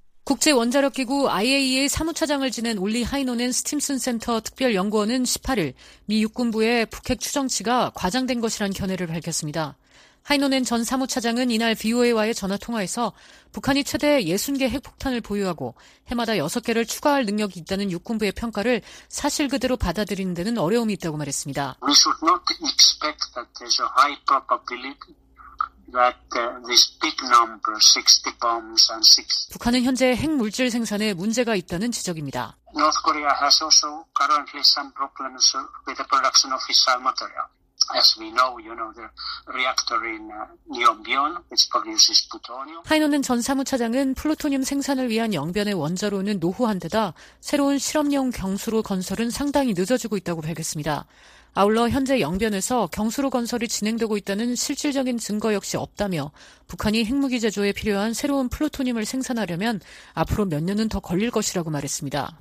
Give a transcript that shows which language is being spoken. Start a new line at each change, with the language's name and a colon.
Korean: 국제원자력기구 IAEA 사무차장을 지낸 올리 하이노넨 스팀슨 센터 특별연구원은 18일 미 육군부의 북핵 추정치가 과장된 것이란 견해를 밝혔습니다. 하이노넨 전 사무차장은 이날 VOA와의 전화통화에서 북한이 최대 60개 핵폭탄을 보유하고 해마다 6개를 추가할 능력이 있다는 육군부의 평가를 사실 그대로 받아들이는 데는 어려움이 있다고 말했습니다.
English: We should not expect that there's a high probability that this big number, 60 bombs and 6...
Korean: 북한은 현재 핵물질 생산에 문제가 있다는 지적입니다.
English: North Korea has also currently some problems with the production of fissile material. As we know, you know, the reactor in Yongbyon, which produces plutonium.
Korean: 하이노넨 전 사무차장은 플루토늄 생산을 위한 영변의 원자로는 노후한 데다 새로운 실험용 경수로 건설은 상당히 늦어지고 있다고 밝혔습니다. 아울러 현재 영변에서 경수로 건설이 진행되고 있다는 실질적인 증거 역시 없다며 북한이 핵무기 제조에 필요한 새로운 플루토늄을 생산하려면 앞으로 몇 년은 더 걸릴 것이라고 말했습니다.